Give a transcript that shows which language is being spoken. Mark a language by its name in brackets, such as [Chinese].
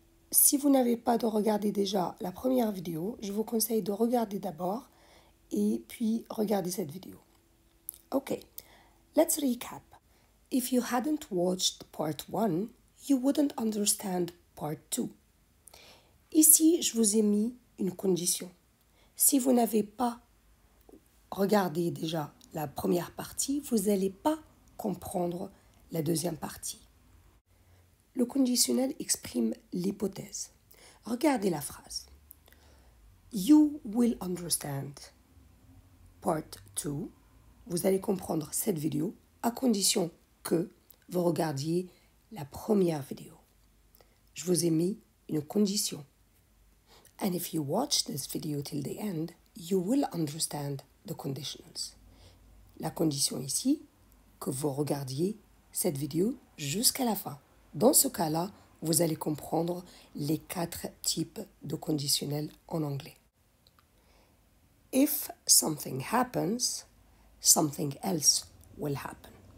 [French] Si vous n'avez pas regardé déjà la première vidéo, je vous conseille de regarder d'abord et puis regarder cette vidéo. [English] Ok, let's recap. If you hadn't watched part 1, you wouldn't understand part 2. [French] Ici, je vous ai mis une condition. Si vous n'avez pas regardez déjà la première partie, vous n'allez pas comprendre la deuxième partie. Le conditionnel exprime l'hypothèse. Regardez la phrase. [English] You will understand part 2. [French] Vous allez comprendre cette vidéo à condition que vous regardiez la première vidéo. Je vous ai mis une condition. [English] And if you watch this video till the end, you will understand the conditionals. [French] La condition ici, que vous regardiez cette vidéo jusqu'à la fin. Dans ce cas-là, vous allez comprendre les quatre types de conditionnels en anglais. [English] If something happens, something else will happen.